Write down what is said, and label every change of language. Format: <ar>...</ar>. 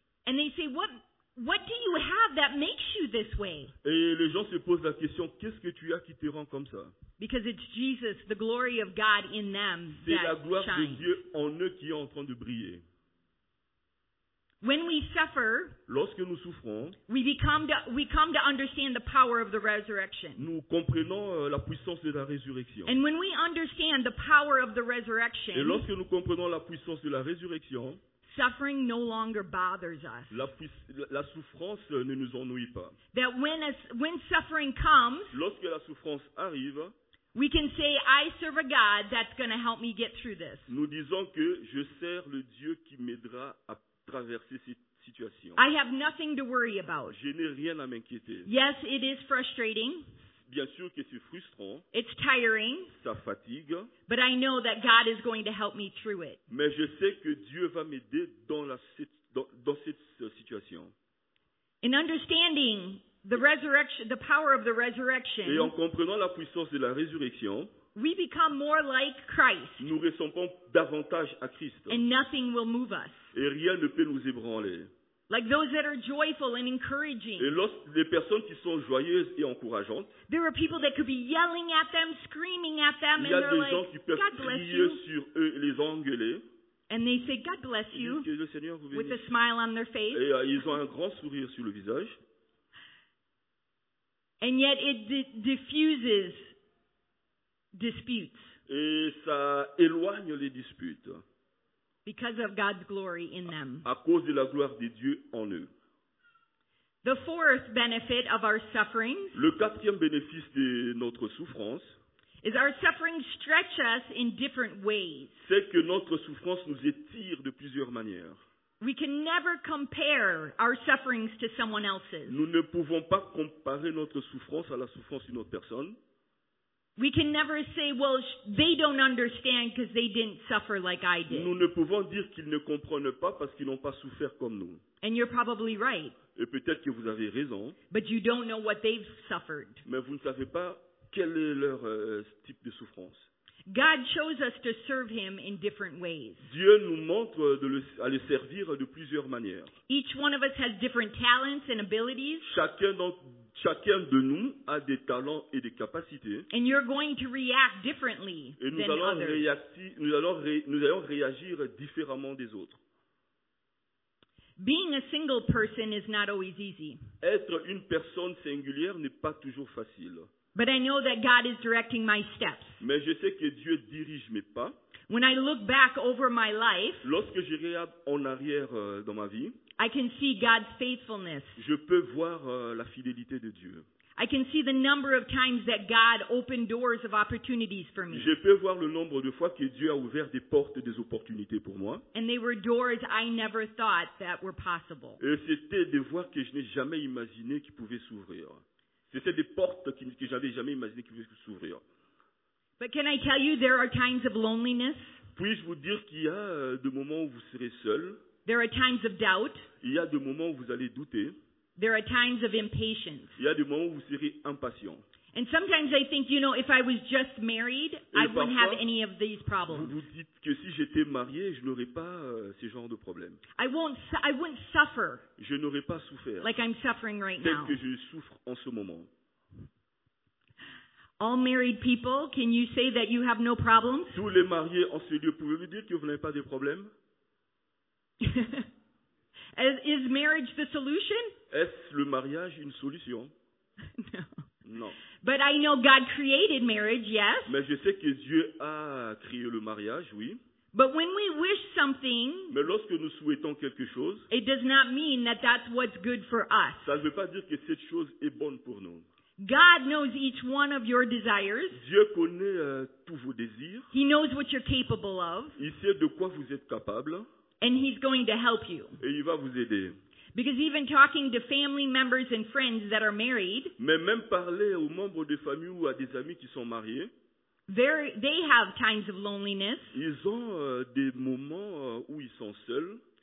<en>And they say, what do you have that makes you this way?</en> <fr>Et les gens se posent la question, qu'est-ce que tu as qui te rend comme ça?</fr> <en>Because it's Jesus, the glory of God in them</en> <fr>c'est</fr> <en>that shines.</en> <fr>C'est la gloire</fr> <en>shines.</en> <fr>De Dieu en eux qui est en train de briller.</fr> <en>When we suffer,</en> <fr>lorsque nous souffrons,</fr> <en>we come to understand the power of the resurrection.</en> <fr>Nous comprenons la puissance de la résurrection.</fr> <en>And when we understand the power of the resurrection,</en> <fr>et lorsque nous comprenons la puissance de la résurrection,</fr> <en>suffering no longer bothers us.</en> <fr>La souffrance ne nous ennuie pas.</fr> <en>That when suffering comes,</en> <fr>lorsque la souffrance arrive,</fr> <en>we can say, I serve a God that's going to help me get through this.</en> <fr>Nous disons que je sers le Dieu qui m'aidera à traverser cette situation.</fr> <en>I have nothing to worry about.</en> <fr>Je n'ai rien à m'inquiéter.</fr> <en>Yes, it is frustrating.</en> <fr>Bien sûr que c'est frustrant.</fr> <en>It's tiring.</en> <fr>Ça fatigue.</fr> <en>But I know that God is going to help me through it.</en> <fr>Mais je sais que Dieu va m'aider dans cette situation.</fr> <en>In understanding the resurrection, the power of the resurrection,</en> <fr>et en comprenant la puissance de la résurrection,</fr> <en>we become more like Christ.</en> <fr>Nous ressemblons davantage à Christ.</fr> <en>And nothing will move us.</en> <fr>Et rien ne peut nous ébranler.</fr> <en>Like those that are joyful and encouraging.</en> <fr>Et les personnes qui sont joyeuses et encourageantes.</fr> <en>There are people that could be yelling at them, screaming at them,</en> <fr>y a</fr> <en>and they're</en> <fr>des</fr> <en>like,</en> <fr>qui peuvent</fr> <en>God bless</en> <fr>crier</fr> <en>you.</en> <fr>Sur eux et les engueuler.</fr> <en>And they say, God bless you.</en> <fr>Que le Seigneur vous bénisse.</fr> <en>With a smile on their face.</en> <fr>Et ils ont un grand sourire sur le visage.</fr> <en>And yet it diffuses disputes.</en> <fr>Et ça éloigne les disputes.</fr> <en>Because of God's glory in them.</en> <fr>À cause de la gloire de Dieu en eux.</fr> <en>The fourth benefit of our sufferings.</en> <fr>Le quatrième bénéfice de notre souffrance.</fr> <en>Is our suffering stretch us in different ways.</en> <fr>C'est que notre souffrance nous étire de plusieurs manières.</fr> <en>We can never compare our sufferings to someone else's.</en> <fr>Nous ne pouvons pas comparer notre souffrance à la souffrance d'une autre personne.</fr> <en>We can never say, well, they don't understand because they didn't suffer like I did.</en> <fr>Nous ne pouvons dire qu'ils ne comprennent pas parce qu'ils n'ont pas souffert comme nous.</fr> <en>And you're probably right.</en> <fr>Et peut-être que vous avez raison.</fr> <en>But you don't know what they've suffered.</en> <fr>Mais vous ne savez pas quel est leur type de souffrance.</fr> <en>God shows us to serve him in different ways.</en> <fr>Dieu nous montre à le servir de plusieurs manières.</fr> <en>Each one of us has different talents and abilities.</en> <fr>Chacun de nous a des talents et des capacités.</fr> <en>And you're going to react differently</en> <fr>et nous</fr> <en>than</en> <fr>allons</fr> <en>others.</en> <fr>Nous allons réagir différemment des autres.</fr> <en>Being a single person is not always easy.</en> <fr>Être une personne singulière n'est pas toujours facile.</fr> <en>But I know that God is directing my steps.</en> <fr>Mais je sais que Dieu dirige mes pas.</fr> <en>When I look back over my life,</en> <fr>lorsque je regarde en arrière dans ma vie,</fr> <en>I can see God's faithfulness.</en> <fr>Je peux voir la fidélité de Dieu.</fr> <en>I can see the number of times that God opened doors of opportunities for me.</en> <fr>Je peux voir le nombre de fois que Dieu a ouvert des portes et des opportunités pour moi.</fr> <en>And they were doors I never thought that were possible.</en> <fr>Et c'était des voies que je n'ai jamais imaginé qui pouvaient s'ouvrir. C'était des portes que j'avais jamais imaginé qui pouvaient s'ouvrir.</fr> <en>But can I tell you there are times of loneliness?</en> <fr>Puis-je vous dire qu'il y a des moments où vous serez seul?</fr> <en>There are times of doubt.</en> <fr>Il y a des moments où vous allez douter.</fr> <en>There are times of impatience.</en> <fr>Il y a des moments où vous serez impatient.</fr> <en>And sometimes I think, you know, if I was just married,</en> <fr>et</fr> <en>I wouldn't have any of these problems.</en> <fr>Vous vous dites que si j'étais marié, je n'aurais pas ces genres de problèmes.</fr> <en>I wouldn't suffer.</en> <fr>Je n'aurais pas souffert.</fr> <en>Like I'm suffering right now.</en> <fr>Tel que je souffre en ce moment.</fr> <en>All married people, can you say that you have no problems?</en> <fr>Tous les mariés en ce lieu, pouvez-vous dire que vous n'avez pas de problèmes?</fr> <en>Is marriage the solution?</en> <fr>Est-ce le mariage une solution?</fr> <en>No.</en> <fr>Non.</fr> <en>But I know God created marriage, yes.</en> <fr>Mais je sais que Dieu a créé le mariage, oui.</fr> <en>But when we wish something,</en> <fr>mais lorsque nous souhaitons quelque chose,</fr> <en>it does not mean that that's what's good for us.</en> <fr>Ça ne veut pas dire que cette chose est bonne pour nous.</fr> <en>God knows each one of your desires.</en> <fr>Dieu connaît tous vos désirs.</fr> <en>He knows what you're capable of.</en> <fr>Il sait de quoi vous êtes capable.</fr> <en>And he's going to help you.</en> <fr>Et il va vous aider.</fr> <en>Because even talking to family members and friends that are married,</en> <fr>mais même parler aux membres de famille ou à des amis qui sont mariés,</fr> <en>they have times of loneliness.</en> <fr>Ils ont des moments où ils sont seuls.</fr>